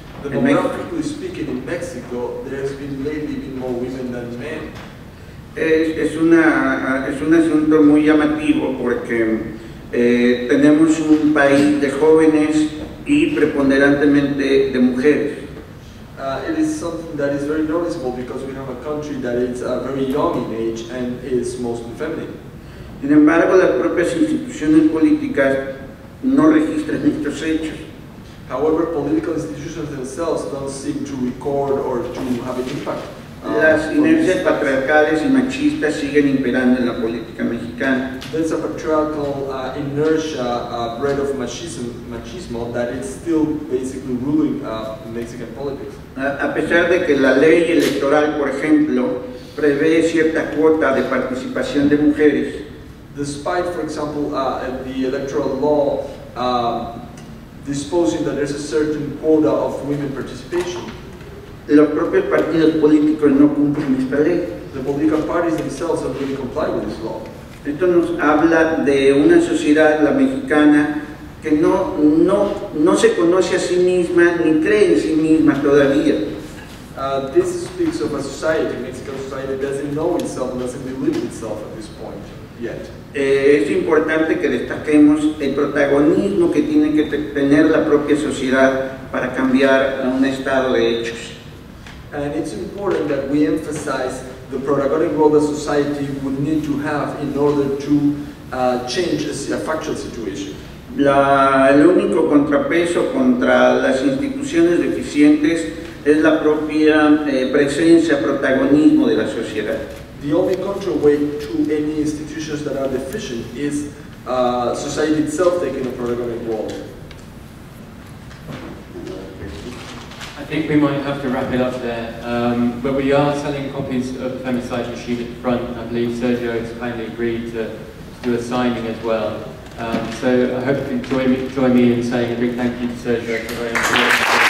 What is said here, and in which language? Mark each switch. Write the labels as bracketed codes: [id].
[en] Demographically speaking, in Mexico, there has been lately been more women than men. [es] Es un asunto muy llamativo porque tenemos un país de jóvenes y preponderantemente de mujeres. [en] It is something that is very noticeable because we have a country that is very young in age and is mostly feminine. [es] Sin embargo, las propias instituciones políticas no registran estos hechos. [en] However, political institutions themselves don't seem to record or to have an impact. [es] Las inercias patriarcales y machistas siguen imperando en la política mexicana. [en] There's a patriarchal inertia bred of machismo that is still basically ruling Mexican politics. [es] A pesar de que la ley electoral, por ejemplo, prevé cierta cuota de participación de mujeres. [en] Despite, for example, the electoral law disposing that there's a certain quota of women participation. [es] Los propios partidos políticos no cumplen esta ley. [en] The political parties themselves have really complied with this law. [es] Esto nos habla de una sociedad, la mexicana, que no se conoce a sí misma ni cree en sí misma todavía. [en] This speaks of a society, Mexican society, that doesn't know itself, doesn't believe itself at this point yet. [es] Es importante que destaquemos el protagonismo que tiene que tener la propia sociedad para cambiar un estado de hechos. [en] And it's important that we emphasize the protagonic role that society would need to have in order to change a factual situation. [es] El único contrapeso contra las instituciones deficientes es la propia presencia, protagonismo de la sociedad. [en] The only counterweight to any institutions that are deficient is society itself taking a protagonic role. I think we might have to wrap it up there, but we are selling copies of Femicide Machine at the front, and I believe Sergio has kindly agreed to do a signing as well. So I hope you can join me in saying a big thank you to Sergio for very important.